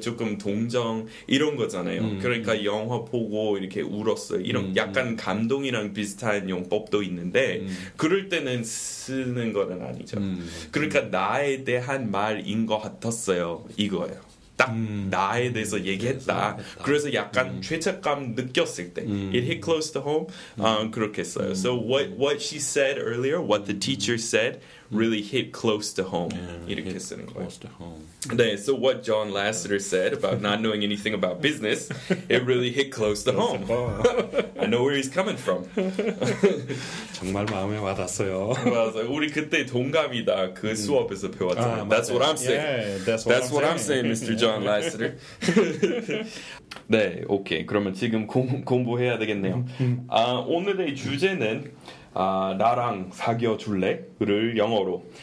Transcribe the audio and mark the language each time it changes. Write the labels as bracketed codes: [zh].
[ko] 조금 동정 이런 거잖아요. 그러니까 영화 보고 이렇게 울었어요. 이런 약간 감동이랑 비슷한 용법도 있는데 그럴 때는 쓰는 거는 아니죠. 그러니까 나에 대한 말인 것 같았어요. 이거예요. 딱 나에 대해서 얘기했다. 그래서 약간 죄책감 느꼈을 때 [en] it hit close to home. [ko] 그렇게 써요. [en] So what she said earlier, what the teacher said really hit close to home. [ko] 이렇게 쓰는 거예요. [en] 네, so what John Lasseter said about not knowing anything about business, it really hit close to home. I know where he's coming from. [ko] 정말 마음에 와닿았어요. 맞아요. 우리 그때 동감이다. 그 수업에서 배웠잖아요. [en] 아, that's what I'm saying. That's what I'm saying, Mr. John Lasseter. 네, 오케이. [ko] 그러면 지금 공부해야 되겠네요. 오늘의 주제는 나랑 사귀어줄래?를 영어로.